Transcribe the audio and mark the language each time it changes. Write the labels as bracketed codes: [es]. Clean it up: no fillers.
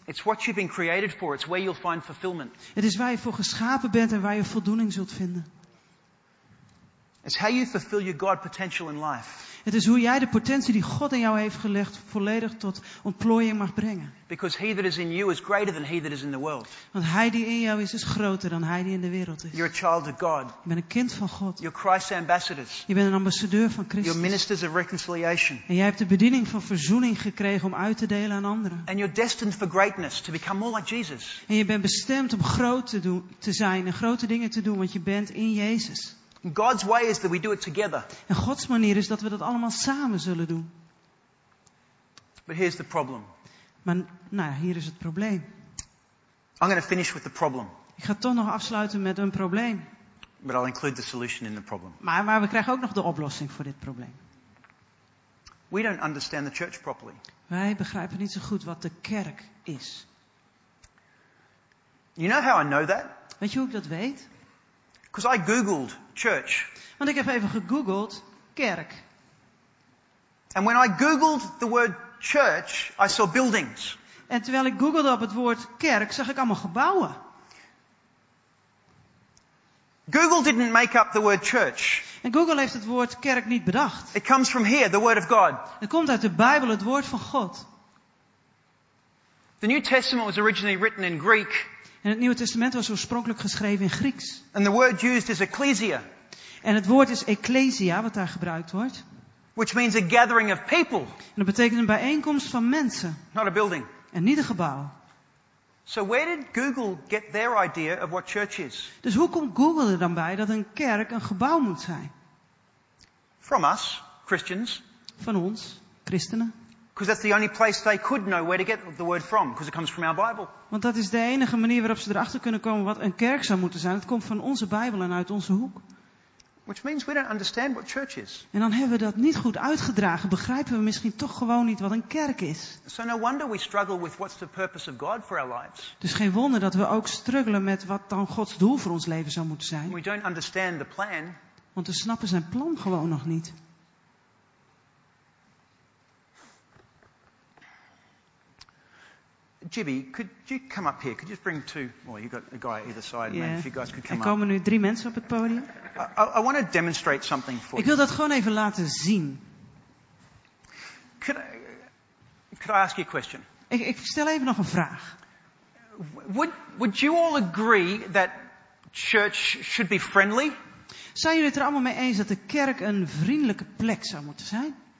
[en] It's what you've been created for, it's where you'll find fulfillment. [nl] Het is waar je voor geschapen bent en waar je voldoening zult vinden. [en] It's how you fulfill your God potential in life. [nl] Het is hoe jij de potentie die God in jou heeft gelegd volledig tot ontplooiing mag brengen. [en] Because he that is in you is greater than he that is in the world. [nl] Want hij die in jou is, is groter dan hij die in de wereld is. [en] You're a child of God. [nl] Je bent een kind van God. [en] You're Christ's ambassadors. [nl] Je bent een ambassadeur van Christus. [en] You're ministers of reconciliation. [nl] En jij hebt de bediening van verzoening gekregen om uit te delen aan anderen. [en] And you're destined for greatness, to become more like Jesus. [nl] En je bent bestemd om groot te zijn en grote dingen te doen, want je bent in Jezus. [en] God's way is that we do it together. [nl] En Gods manier is dat we dat allemaal samen zullen doen. [en] But here's the problem. [nl] Maar nou ja, hier is het probleem. [en] I'm going to finish with the problem. [nl] Ik ga toch nog afsluiten met een probleem. [en] But I'll include the solution in the problem. [nl] Maar we krijgen ook nog de oplossing voor dit probleem. [en] We don't understand the church properly. [nl] Wij begrijpen niet zo goed wat de kerk is. [en] You know how I know that? [nl] Weet je hoe ik dat weet? [en] Because I googled church. [nl] Want ik heb even gegoogeld kerk. [en] And when I googled the word church, I saw buildings. [nl] En terwijl ik googelde op het woord kerk, zag ik allemaal gebouwen. [en] Google didn't make up the word church. [nl] En Google heeft het woord kerk niet bedacht. [en] It comes from here, the word of God. [nl] Het komt uit de Bijbel, het woord van God. [en] The New Testament was originally written in Greek. [nl] En het Nieuwe Testament was oorspronkelijk geschreven in Grieks. [en] And the word used is ecclesia. [nl] En het woord is ecclesia, wat daar gebruikt wordt. [en] Which means a gathering of people. [nl] En dat betekent een bijeenkomst van mensen. [en] Not a building. [nl] En niet een gebouw. [en] So where did Google get their idea of what church is? [nl] Dus hoe komt Google er dan bij dat een kerk een gebouw moet zijn? [en] From us, Christians. [nl] Van ons, christenen. [en] Because that's the only place they could know where to get the word from, because it comes from our Bible. [nl] Want dat is de enige manier waarop ze erachter kunnen komen wat een kerk zou moeten zijn. Het komt van onze Bijbel en uit onze hoek. [en] Which means we don't understand what church is. [nl] En dan hebben we dat niet goed uitgedragen. Begrijpen we misschien toch gewoon niet wat een kerk is? [en] So no wonder we struggle with what's the purpose of God for our lives. [nl] Dus geen wonder dat we ook struggelen met wat dan Gods doel voor ons leven zou moeten zijn. [en] We don't understand the plan. [nl] Want we snappen zijn plan gewoon nog niet. [en] Jibby, could you come up here? Could you just bring two? Well, you got a guy either side. Yeah. Maybe if you guys could come up. [nl] Er komen nu drie mensen op het podium. [en] I want to demonstrate something for you. [nl] Ik wil dat gewoon even laten zien. [en] Could I ask you a question? [nl] Ik stel even nog een vraag. [en] Would you all agree that church should be friendly? [nl] Zijn jullie het er allemaal mee eens dat de kerk een vriendelijke plek zou moeten zijn?